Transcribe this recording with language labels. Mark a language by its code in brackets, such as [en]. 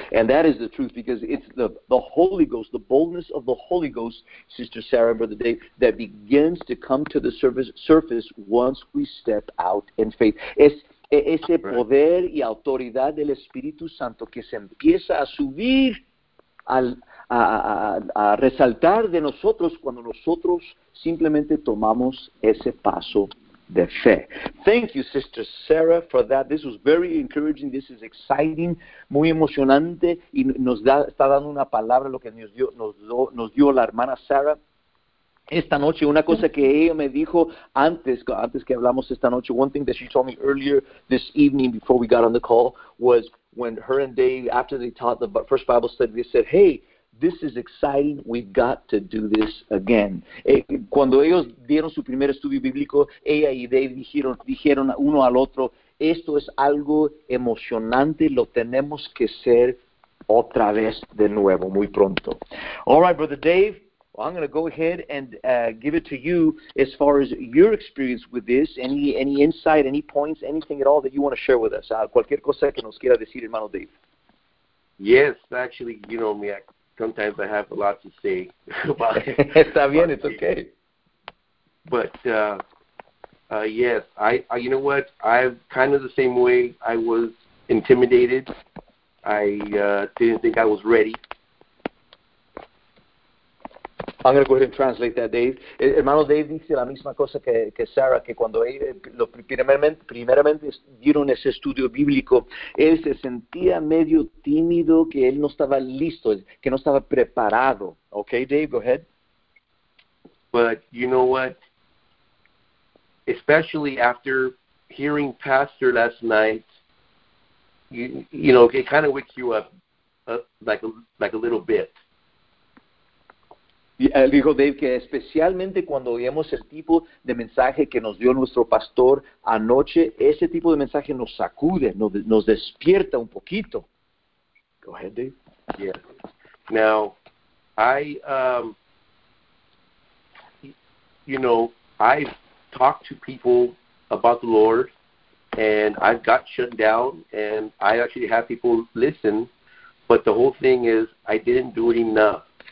[en] And that is the truth, because it's the Holy Ghost, the boldness of the Holy Ghost, Sister Sarah, Brother Dave, that begins to come to the surface once we step out in faith. [es] Ese poder y autoridad del Espíritu Santo que se empieza a subir, a resaltar de nosotros cuando nosotros simplemente tomamos ese paso de fe. [en] Thank you, Sister Sarah, for that. This was very encouraging. This is exciting, [es] muy emocionante, y nos da, está dando una palabra lo que nos dio la hermana Sarah esta noche. Una cosa que ella me dijo antes que hablamos esta noche, [en] one thing that she told me earlier this evening before we got on the call was when her and Dave, after they taught the first Bible study, they said, hey, this is exciting. We've got to do this again. [es] Cuando ellos dieron su primer estudio bíblico, ella y Dave dijeron uno al otro, esto es algo emocionante. Lo tenemos que hacer otra vez de nuevo, muy pronto. [en] All right, Brother Dave, well, I'm going to go ahead and give it to you as far as your experience with this. Any insight, any points, anything at all that you want to share with us? [es] Cualquier cosa que nos quiera decir, hermano Dave. [en] Yes, actually, you know me, sometimes I have a lot to say. [es] Está bien, [en] it's okay. But, yes, I, you know what? I'm kind of the same way. I was intimidated. I didn't think I was ready. I'm going to go ahead and translate that, Dave. [es] Hermano Dave dice la misma cosa que Sarah, que cuando primeramente dieron ese estudio bíblico, él se sentía medio tímido, que él no estaba listo, que no estaba preparado. [en] Okay, Dave, go ahead. But you know what? Especially after hearing Pastor last night, you know, it kind of wakes you up like a little bit. [es] Dijo Dave que especialmente cuando oímos el tipo de mensaje que nos dio nuestro pastor anoche, ese tipo de mensaje nos sacude, nos despierta un poquito. [en] Go ahead, Dave. Yeah. Now, I you know, I've talked to people about the Lord, and I've got shut down, and I actually have people listen, but the whole thing is I didn't do it enough.